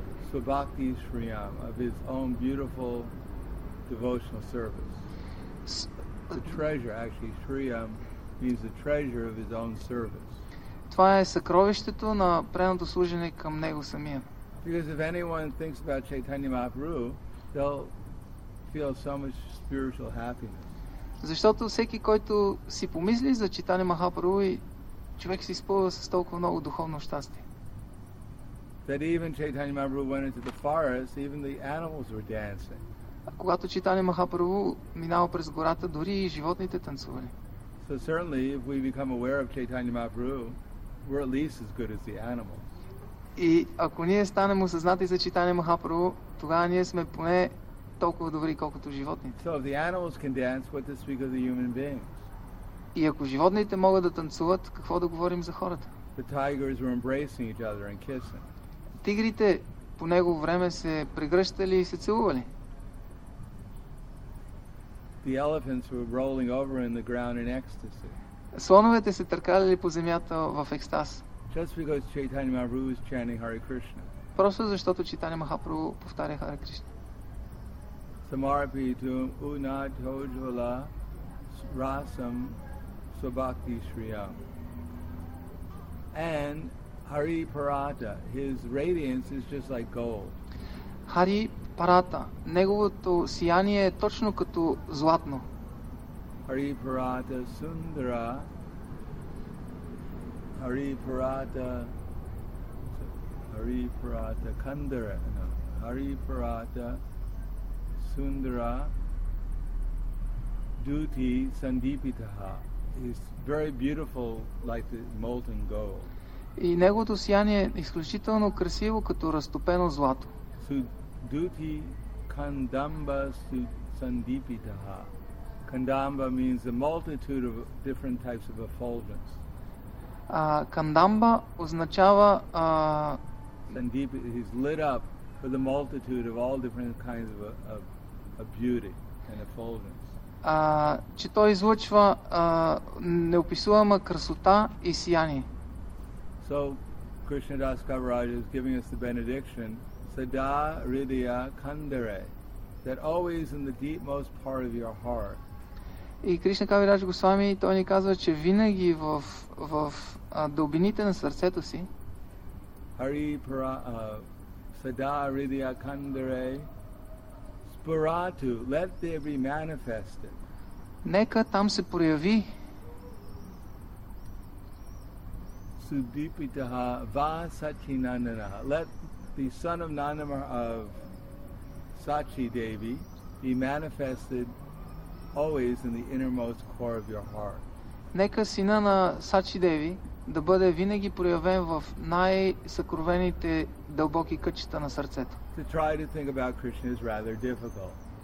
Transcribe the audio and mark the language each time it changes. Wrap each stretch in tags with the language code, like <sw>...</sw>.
<en>Svabhakti Shriyam, of his own beautiful devotional service. The treasure, actually, Shriyam means the treasure of his own service.</en> <bg>Това е съкровището на преното служене към него самия.</bg> <en>Because if anyone thinks about Chaitanya Mahaprabhu, they'll feel so much spiritual happiness.</en> <bg>Защото всеки, който си помисли за Чайтанья Махапрабху, човек се изпълва с толкова много духовно щастие.</bg> <en>That even Chaitanya Mahaprabhu went into the forest, even the animals were dancing.</en> <bg>Когато Чайтанья Махапрабху минава през гората, дори и животните танцували.</bg> <en>So certainly, if we become aware of Chaitanya Mahaprabhu, we're at least as good as the animals.</en> <bg>И ако ние станем осъзнати за Чайтанья Махапрабху, тогава ние сме поне толкова добри, колкото животните.</bg> <en>So if the animals can dance, what to speak of the human beings?</en> <bg>И ако животните могат да танцуват, какво да говорим за хората?</bg> <en>The tigers were embracing each other and kissing.</en> <bg>Тигрите по негово време се прегръщали и се целували.</bg> <en>The elephants were rolling over in the ground in ecstasy.</en> <bg>Слоновете се търкали по земята в екстаз.</bg> <en>Just because Chaitanya Mahaprabhu was chanting Hare Krishna.</en> <bg>Просто защото Чайтанья Махапрабху повтаря Харе Кришна.</bg> <sa>Samarpi to Unat Hojvala Rasam Svabhakti Shriyam.</sa> <en>And Hari Parata, his radiance is just like gold.</en> <bg>Hari Parata, неговото сияние е точно като златно.</bg> <sa>Hari Parata Sundara. Hari Parata. Hari Parata Kandara. No. Hari Parata Sundara Duti Sandipitaha</sa> <en>is very beautiful like the molten gold.</en> <bg>И неговото сияние е изключително красиво като разтопено злато.</bg> <sa>Duti Kandamba Sandipitaha.</sa> <en>Kandamba means a multitude of different types of effulgence.</en> <bg>Kandamba означава</bg> <en>Sandipita is lit up with a multitude of all different kinds of beauty and effulgence.</en> <bg>Че той излъчва неописуема красота и сияние.</bg> <en>So Krishna Das Kaviraj is giving us the benediction</en> <sa>Sada Ridya Kandare,</sa> <en>that always in the deepmost part of your heart.</en> <bg>И Кришна Кавирадж Госвами, той ни казва, че винаги в дълбините на сърцето си</bg> <sa>Hari Para Sada Ridya Kandare Spuratu,</sa> <en>let there be manifested.</en> <bg>Нека там се прояви.</bg> <sa>Sudipitaha Vasati Nandanaha.</sa> <en>Let the son of Nandama of Sachi Devi be manifested always in the innermost core of your heart.</en> <bg>Нека сина на Сачи Деви да бъде винаги проявен в най-съкровените дълбоки кътчета на сърцето.</bg> <en>To try to think about Krishna is rather difficult.</en>